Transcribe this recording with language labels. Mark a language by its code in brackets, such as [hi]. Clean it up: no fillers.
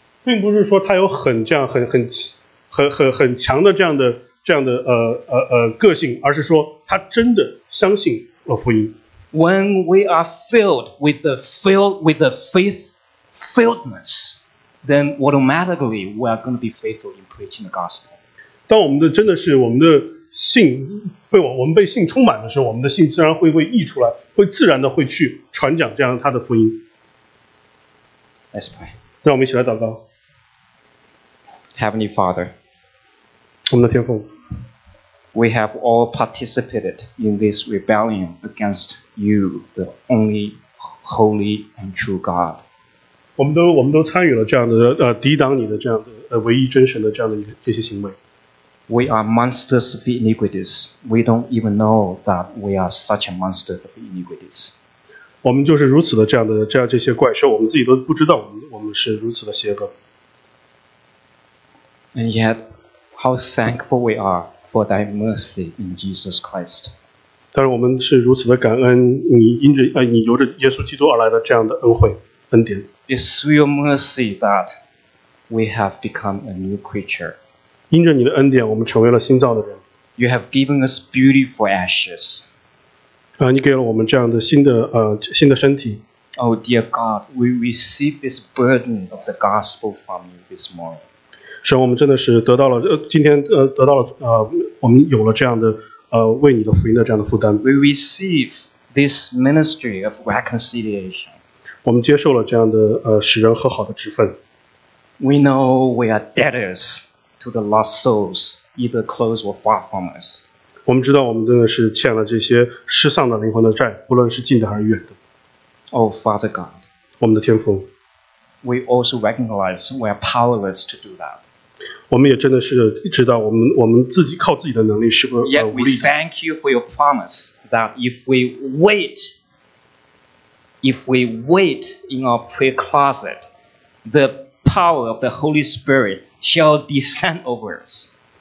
[zh] 并不是说她有很强的这样的个性，而是说她真的相信福音。 [en] When we are filled with the faith filledness. Then automatically we are going to be faithful in preaching the gospel. [zh] 当我们的真的是我们的信被我们被信充满的时候，我们的信自然会溢出来，会自然的会去传讲这样他的福音。 [en] Let's pray. [zh] 让我们一起来祷告。 [en] Heavenly Father, [zh] 我们的天父 [en] ，We have all participated in this rebellion against you, the only holy and true God. [zh] 我们都参与了这样的抵挡你的这样的唯一真神的这样的这些行为。 [en] We are monsters of iniquities. We don't even know that we are such a monster of iniquities. [zh] 我们就是如此的这样这些怪兽，我们自己都不知道我们是如此的邪恶。 [en] And yet, how thankful we are for thy mercy in Jesus Christ. [zh] 但是我们是如此的感恩你由着耶稣基督而来的这样的恩惠。 [en] It's your mercy that we have become a new creature. [zh] 因着你的恩典，我们成为了新造的人。 [en] You have given us beautiful ashes. [zh] 你给了我们这样的新的身体。 [en] Oh dear God, we receive this burden of the gospel from you this morning. [zh] 神，我们真的是得到了今天得到了我们有了这样的为你的福音的这样的负担。 [en] We receive this ministry of reconciliation. [zh] 我们接受了这样的使人和好的职分。 [en] We know we are debtors to the lost souls, either close or far from us. [zh] 我们知道我们真的是欠了这些失丧的灵魂的债，不论是近的还是远的。 [en] Oh Father God, [zh] 我们的天父。 [en] We also recognize we are powerless to do that. [zh] 我们也真的是知道我们自己靠自己的能力是不是无力。 [en] Yet we thank you for your promise that if we wait in our prayer closet, the power of the Holy Spirit shall descend over us.